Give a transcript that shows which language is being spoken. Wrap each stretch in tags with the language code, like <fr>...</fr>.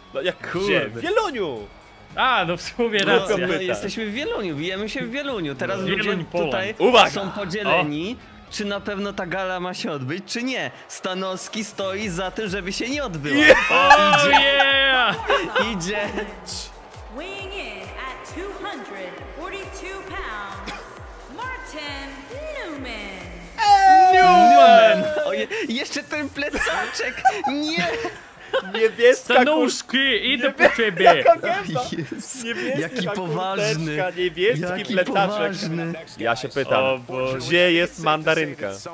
<pl>No jak gdzie? W Wieluniu! A, no w sumie racja. No, jesteśmy w Wieluniu, bijemy się w Wieluniu. Teraz ludzie tutaj Uwaga! Są podzieleni, czy na pewno ta gala ma się odbyć, czy nie. Stanowski stoi za tym, żeby się nie odbyła.</pl> <en>Yeah! Oh, yeah!</en> <pl>Idzie.</pl> <en>Weighing in at 242 pounds, Martin Newman. Newman!</en> <pl>Jeszcze ten plecaczek, nie! Niebieska Stanuszki, idę po ciebie! Jaki poważny! Niebieski plecaczek! Ja się pytam, gdzie jest mandarynka?</pl>